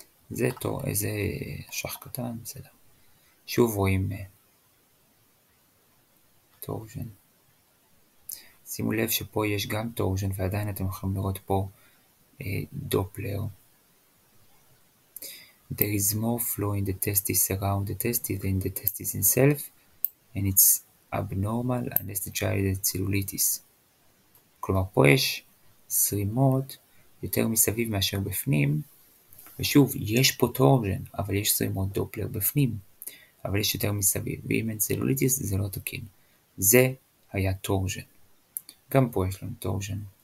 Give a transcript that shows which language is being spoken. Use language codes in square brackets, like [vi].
[he] זה טוב, איזה אשך קטן, בסדר. שוב רואים טורז'ן. שימו לב שפה יש גם טורז'ן ועדיין אתם יכולים לראות פה דופלר. [en] There is more flow in the testis around the testis than in the testis itself, and it's abnormal unless the child has cellulitis. [he] כלומר פה יש זרימות יותר מסביב מאשר בפנים, ושוב יש פה טורז'ן אבל יש זרימות דופלר בפנים, אבל יש יותר מסביב, ואם אין צלוליטיס זה לא תקין. זה היה טורז'ן, גם פה יש לנו טורז'ן.